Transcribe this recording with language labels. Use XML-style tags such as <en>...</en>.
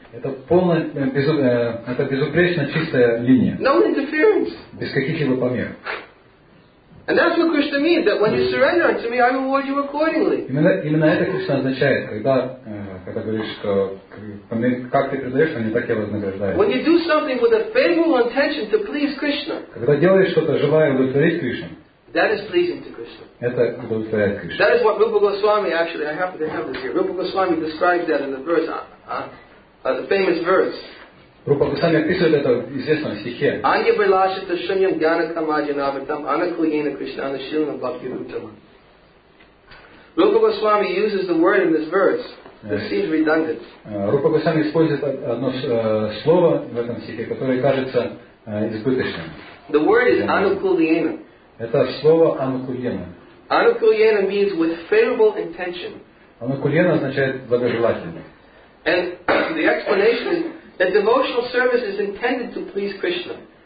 <ru>Это полная это безупречно чистая линия.</ru> <en>No interference.</en> <ru>Без каких-либо помех.</ru> <en>And that's what Krishna means that when you surrender unto me, I reward you accordingly.</en> <ru>Именно это Кришна означает, когда говоришь, что как ты предаешь, они так и вознаграждают.</ru> <en>When you do something with a favorable intention to please Krishna.</en> <ru>Когда делаешь что-то желая удовлетворить Кришну.</ru> <en>That is pleasing to Krishna.</en> <ru>Это удовлетворяет Кришну.</ru> <en>That is what Rupa Goswami actually I happen to have this here. Rupa Goswami describes that in the verse. The famous verse.</en> <ru>Рупа Госвами описывает это в известном стихе.</ru> <sa>Анги Брилаши Ташуньям Гьяна Камаджи Навитам Анакуина Кришнана Шилана Бхакти Рутама.</sa> <en>Рупа Госвами uses the word in this verse. It seems redundant.</en> <ru>Рупа Госвами использует одно слово в этом стихе, которое кажется избыточным.</ru> <en>The word is Anukulyena.</en> <ru>Это слово Anukulyena.</ru> <en>Anukulyena means with favorable intention.</en> <ru>Anukulyena означает благожелательный.</ru> <en>And the explanation is that devotional service is intended to please Krishna.</en>